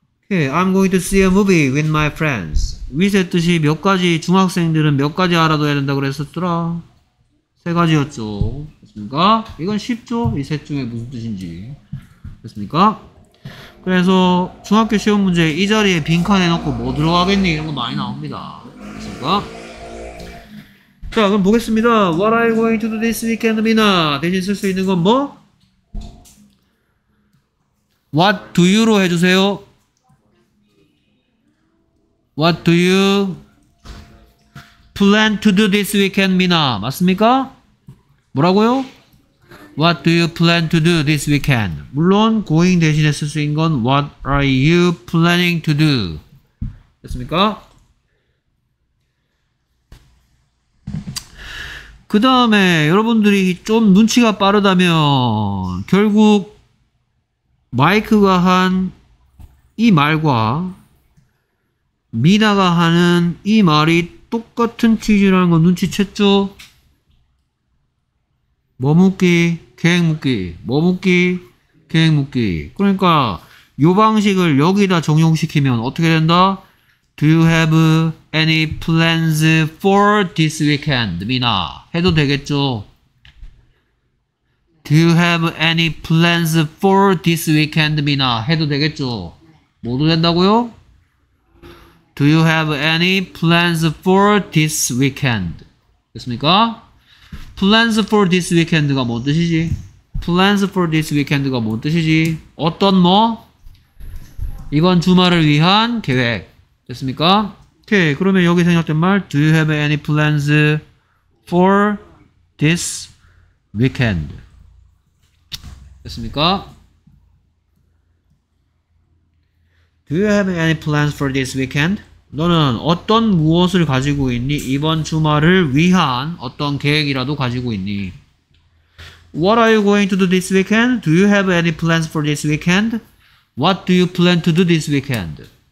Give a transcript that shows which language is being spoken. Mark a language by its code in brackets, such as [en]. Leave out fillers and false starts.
[en] Okay, I'm going to see a movie with my friends. [ko] 윗의 뜻이 몇 가지, 중학생들은 몇 가지 알아둬야 된다고 그랬었더라? 세 가지였죠. 됐습니까? 이건 쉽죠? 이 셋 중에 무슨 뜻인지. 됐습니까? 그래서 중학교 시험 문제 이 자리에 빈칸 해놓고 뭐 들어가겠니? 이런 거 많이 나옵니다. 됐습니까? 자, 그럼 보겠습니다. [en] What are you going to do this weekend, Mina? [ko] 대신 쓸 수 있는 건 뭐? [en] What do you로 [ko] 해주세요. [en] What do you plan to do this weekend, Mina? [ko] 맞습니까? 뭐라고요? [en] What do you plan to do this weekend? [ko] 물론 going 대신에 쓸 수 있는 건 [en] What are you planning to do? [ko] 됐습니까? 그 다음에 여러분들이 좀 눈치가 빠르다면 결국 마이크가 한 이 말과 미나가 하는 이 말이 똑같은 취지라는 거 눈치챘죠? 머뭇기, 계획묶기, 머뭇기, 계획묶기. 그러니까 요 방식을 여기다 적용시키면 어떻게 된다? [en] Do you have any plans for this weekend, Mina? [ko] 해도 되겠죠? [en] Do you have any plans for this weekend, Mina? [ko] 해도 되겠죠? 모두 된다고요? [en] Do you have any plans for this weekend? [ko] 됐습니까? [en] Plans for this weekend [ko] 가 뭔 뜻이지? [en] Plans for this weekend [ko] 가 뭔 뜻이지? 어떤 뭐? 이번 주말을 위한 계획. 됐습니까? 오케이. 그러면 여기 생략된 말 [en] Do you have any plans for this weekend? [ko] 됐습니까? [en] Do you have any plans for this weekend? [ko] 너는 어떤 무엇을 가지고 있니? 이번 주말을 위한 어떤 계획이라도 가지고 있니? [en] What are you going to do this weekend? Do you have any plans for this weekend? What do you plan to do this weekend?